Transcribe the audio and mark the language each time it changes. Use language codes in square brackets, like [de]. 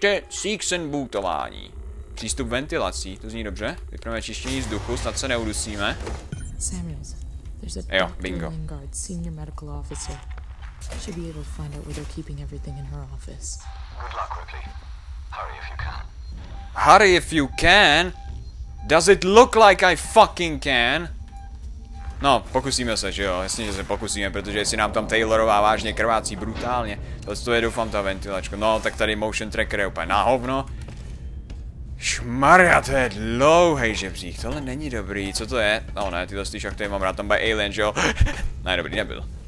[cs] Seeks and bootování. Přístup ventilací, to zní dobře. Vypneme čištění vzduchu, snad se neudusíme. [en] Samuels, there's a [cs] jo, bingo. [en] Lingard, senior medical officer. Should be able to find out where they're keeping everything in her office. Good luck, Ripley. Hurry if you can. Hurry if you can? Does it look like I fucking can? [cs] No, pokusíme se, že jo, jasně, že se pokusíme, protože jestli nám tam Taylorová vážně krvácí brutálně, to je doufám ta ventilačka. No, tak tady motion tracker je úplně na hovno. Šmarja, to je dlouhej žebřík, tohle není dobrý, co to je? No ne, tyhle ty šachty mám rád, tam by alien, že jo? Ne, dobrý, nebyl.